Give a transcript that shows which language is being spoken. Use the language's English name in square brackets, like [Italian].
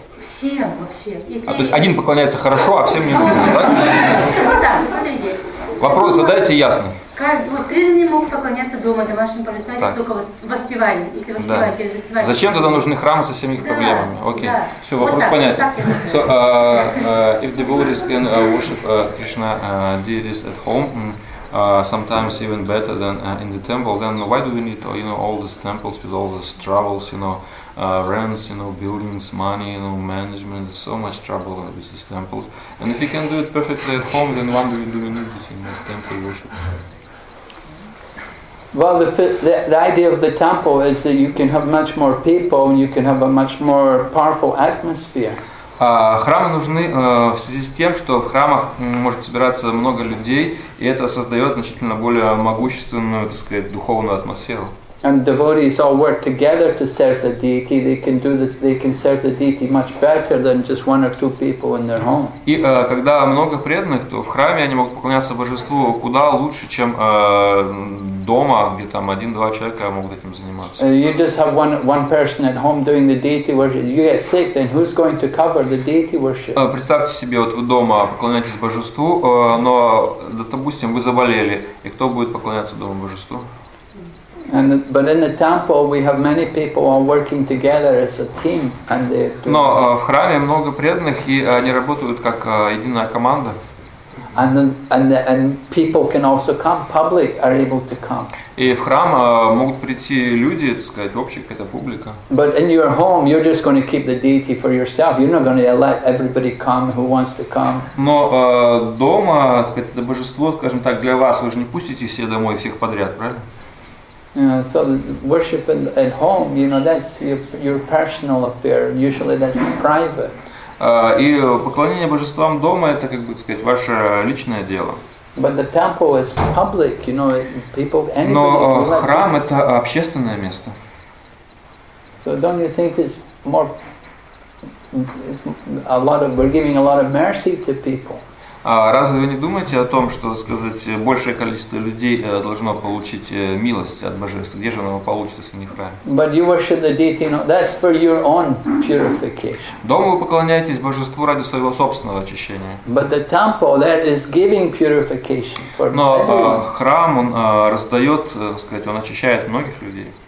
[Russian] Всем вообще. Если... А то есть один поклоняется хорошо, а всем не нужен, да? Ну да, посмотрите. Вопрос задайте ясно. Преданные могут поклоняться дома, домашним поклоняться, только вот воспевали, если воспевали, да. Воспевали. Зачем тогда нужны храмы со всеми их проблемами? Окей, да. Все, вопрос вот понятен. [English] So, if the devotees can worship Krishna deities at home, sometimes even better than in the temple, then why do we need, you know, all these temples with all these troubles, you know, rents, you know, buildings, money, you know, management, so much trouble with these temples. And if you can do it perfectly at home, then why do we need this, you know, temple worship? Well, the idea of the temple is that you can have much more people and you can have a much more powerful atmosphere. [Russian] Храмы нужны в связи с тем, что в храмах может собираться много людей, и это создает значительно более могущественную, так сказать, духовную атмосферу. [English] And devotees all work together to serve the deity. They can do that. They can serve the deity much better than just one or two people in their home. [Russian] И когда много преданных, то в храме они могут поклоняться божеству куда лучше, чем дома, где там один-два человека могут этим заниматься. [English] You just have one person at home doing the deity worship. You get sick, then who's going to cover the deity worship? [Russian] Представьте себе, вот вы дома поклоняетесь божеству, но, допустим, вы заболели, и кто будет поклоняться дома божеству? [English] But in the temple, we have many people all working together as a team, and they. [Russian] Но в храме много преданных, и они работают как единая команда. [English] And people can also come. Public are able to come. [Russian] И в храм могут прийти люди, так сказать, общая какая-то публика. [English] But in your home, you're just going to keep the deity for yourself. You're not going to let everybody come who wants to come. [Russian] Но дома, так сказать, это божество, скажем так, для вас. Вы же не пустите все домой всех подряд, правильно? [English] So worship at home, you know, that's your personal affair. Usually that's private. [Russian] И поклонение божествам дома это, как бы сказать, ваше личное дело. [English] But the temple is public, you know, people, anybody. [Russian] Но храм это общественное место. [English] So don't you think it's a lot of, we're giving a lot of mercy to people? [Russian] Разве вы не думаете о том, что, так сказать, большее количество людей должно получить милость от божества? Где же оно получится, если не в храме? [English] But you worship the deity, no, that's for your own purification. [Russian] Дома вы поклоняетесь божеству ради своего собственного очищения. [English] But the temple, that is giving purification for everyone. [Russian] Но храм, он раздает, так сказать, он очищает многих людей.